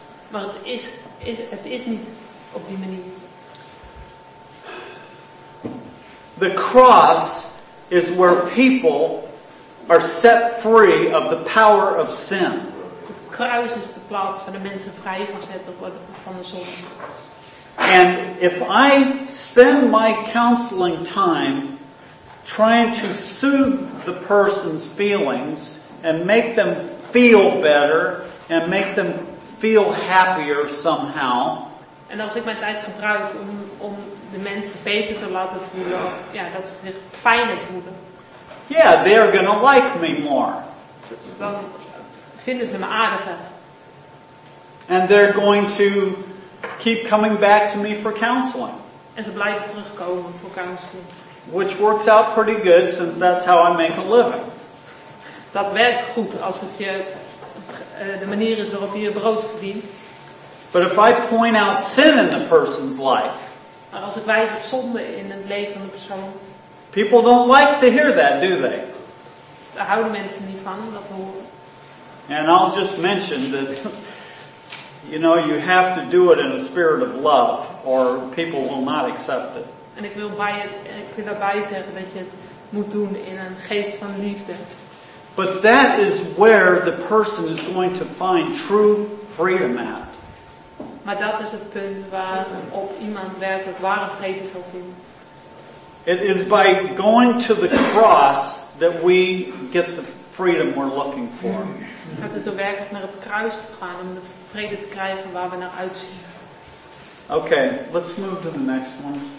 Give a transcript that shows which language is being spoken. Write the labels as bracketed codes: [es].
[nl] Maar het is niet op die manier. [en] The cross is where people are set free of the power of sin. [nl] Het kruis is de plaats waar de mensen vrijgezet worden van de zonde. [en] And if I spend my counseling time trying to soothe the person's feelings and make them feel better and make them feel happier somehow. [nl] En als ik mijn tijd gebruik om de mensen beter te laten voelen, dat ze zich fijner voelen. [en] Yeah, they're gonna like me more. [nl] Dan vinden ze me aardiger. [en] And they're going to keep coming back to me for counseling. [nl] En ze blijven terugkomen voor counseling. [en] Which works out pretty good since that's how I make a living. [nl] Dat werkt goed als het je de manier is waarop je je brood verdient. [en] But if I point out sin in the person's life. [nl] Maar als ik wijs op zonde in het leven van de persoon. [en] People don't like to hear that, do they? [nl] Daar houden mensen niet van dat te horen. [en] And I'll just mention that you have to do it in a spirit of love or people will not accept it. [nl] En ik wil daarbij zeggen dat je het moet doen in een geest van liefde. [en] But that is where the person is going to find true freedom at. [nl] Maar dat is het punt waarop iemand werkelijk ware vrede zal vinden. [en] It is by going to the cross that we get the freedom we're looking for. [nl] Het is door werkelijk naar het kruis te gaan om de vrede te krijgen waar we naar uitzien. [en] Okay, let's move to the next one.